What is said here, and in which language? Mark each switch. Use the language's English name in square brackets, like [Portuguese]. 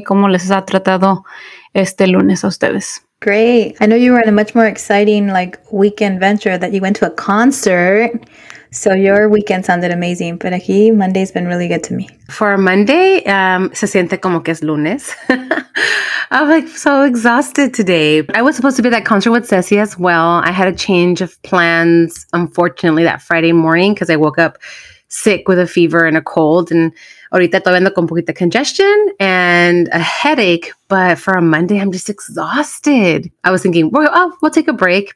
[Spanish] ¿Cómo les ha tratado este lunes a ustedes? [English] Great. I know you were on a much more exciting, like, weekend venture that you went to a concert. So your weekend sounded amazing, but [Spanish] aquí [English] Monday's been really good to me. For Monday, [Spanish] se siente como que es lunes. [English] I'm like so exhausted today. I was supposed to be at that concert with Ceci as well. I had a change of plans, unfortunately, that Friday morning because I woke up sick with a fever and a cold. [Spanish] And ahorita estoy viendo con poquita [English] congestion and a headache. But for a Monday, I'm just exhausted. I was thinking, well, oh, we'll take a break.